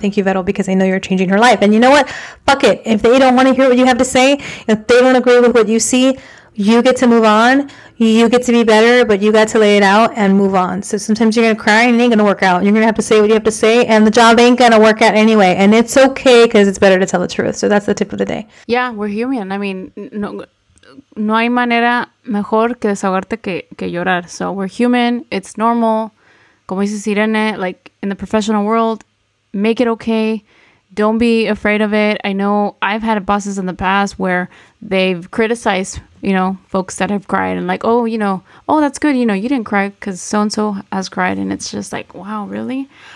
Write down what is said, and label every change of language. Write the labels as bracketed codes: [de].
[en] Thank you, Vettel, because I know you're changing her life. And you know what? Fuck it. If they don't want to hear what you have to say, if they don't agree with what you see, you get to move on. You get to be better, but you got to lay it out and move on. So sometimes you're going to cry and it ain't going to work out. You're going to have to say what you have to say and the job ain't going to work out anyway. And it's okay because it's better to tell the truth. So that's the tip of the day. Yeah, we're human. I mean, [es] no hay manera mejor que desahogarte que llorar. [en] So we're human. It's normal. [es] Como dice [en] Irene, like in the professional world, make it okay. Don't be afraid of it. I know I've had bosses in the past where they've criticized, you know, folks that have cried and like, oh, that's good. You know, you didn't cry because so-and-so has cried. And it's just like, wow, really?